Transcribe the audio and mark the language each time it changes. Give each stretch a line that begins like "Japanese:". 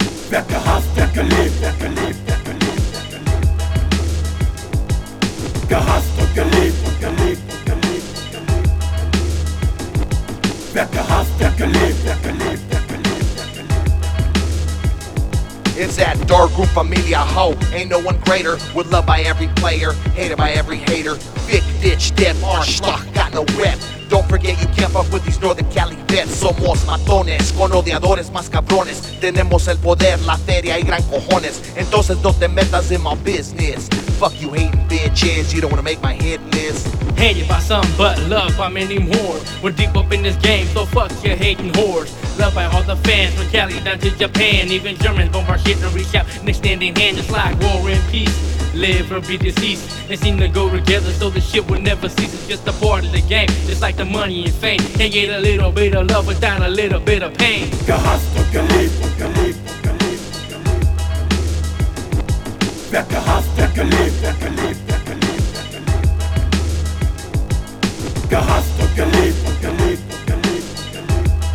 German: Wer gehasst, wer geliebt, wer geliebt. Gehasst und geliebt, und geliebt, und geliebt, und geliebt. Wer gehasst, wer geliebt, wer geliebt, wer geliebt, wer geliebt.
English: It's that Dark Room Familia Ho. Ain't no one greater. With love by every player, hated by every hater. Big ditch, dead Arschloch, got no rep. Don't forget you can't fuck with these Northern Cali vets.
Spanish: Somos matones, con odiadores más cabrones. Tenemos el poder, la feria y gran cojones. Entonces no te metas
English: in my business. Fuck you hating bitches, you don't wanna make my hit list. Hate you by some but love by many more. We're deep up in this game, so fuck your hating whores. Love by all the fans from Cali down to Japan. Even Germans bump our shit and reach out an extending hand. It's like war and peace, live or be deceased. They seem to go together so the shit will never cease. It's just a part of the game, just like the money and fame. Can't get a little bit of love without a little bit of pain.
German: Gehasst und geliebt, und geliebt, und geliebt, und geliebt. Wer gehasst, wer geliebt, wer geliebt, wer geliebt, wer geliebt, wer geliebt. Gehasst und geliebt, und geliebt, und geliebt, und geliebt.